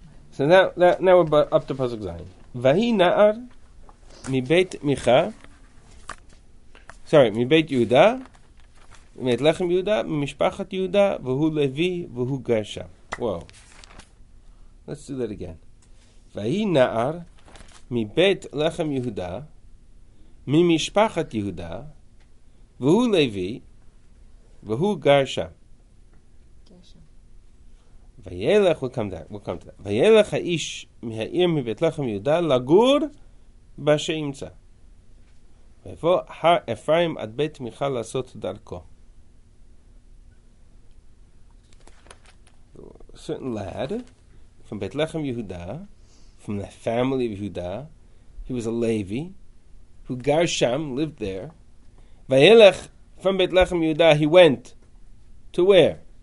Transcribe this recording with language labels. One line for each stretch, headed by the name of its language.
English: So now we're up to Pasuk Zion.
Hebrew: Vahi na'ar מבית מיכה, sorry, מבית יהודה, מבית לחם יהודה, ממשפחת יהודה, והוא לוי, והוא גר שם.
English: Whoa. Let's do that again.
Hebrew: והי נער, מבית לחם יהודה, ממשפחת יהודה, והוא לוי, והוא גר שם.
English: וילך, we'll come to that.
Hebrew: וילך האיש מהעיר מבית לחם יהודה, לגור, בשאימצא. ויבוא הר אפרים עד בית מיכה לעשות דרכו.
English: Certain lad from בית לחם יהודה, from the family of יהודה, he was a Levi, who
Hebrew: גר שם,
English: lived there. וילך from בית לחם יהודה, he went to where?